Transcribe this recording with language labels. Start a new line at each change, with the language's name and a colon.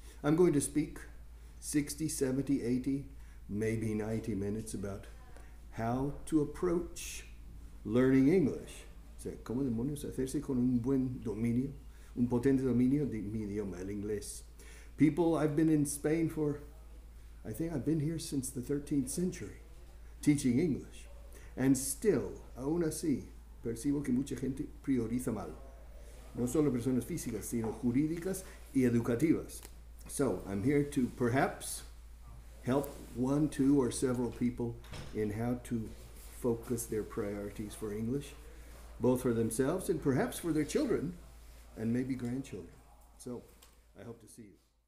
English: I'm going to speak 60, 70, 80, maybe 90 minutes about how to approach learning English.
Spanish: O sea, ¿cómo demonios hacerse con un buen dominio, un potente dominio de mi idioma, el inglés?
English: People, I've been in Spain for, I think I've been here since the 13th century. Teaching English, and still,
Spanish: aún así, percibo que mucha gente prioriza mal. No solo personas físicas, sino jurídicas y educativas.
English: So, I'm here to perhaps help one, two, or several people in how to focus their priorities for English, both for themselves and perhaps for their children, and maybe grandchildren. So, I hope to see you.